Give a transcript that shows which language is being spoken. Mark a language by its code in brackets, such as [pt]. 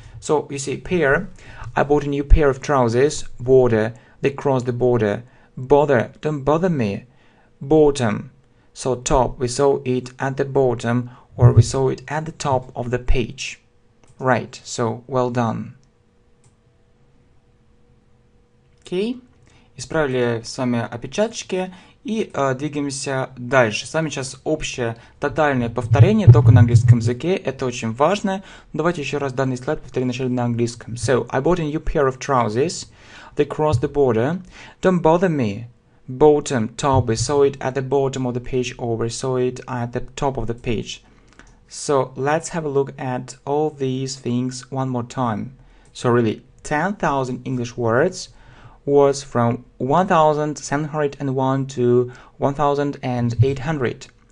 [en] So, you see, pair. I bought a new pair of trousers. Border. They crossed the border. Bother. Don't bother me. Bottom. So top, we saw it at the bottom, or we saw it at the top of the page. Right, so well done. [ru] Окей, исправили с вами опечаточки и двигаемся дальше. С вами сейчас общее тотальное повторение, только на английском языке, это очень важно. Давайте еще раз данный слайд повторим вначале на английском. [en] So, I bought a new pair of trousers, they crossed the border, don't bother me. Bottom, top, we saw it at the bottom of the page, or we saw it at the top of the page. So let's have a look at all these things one more time. So really, 10,000 English words from 1,701 to 1,800.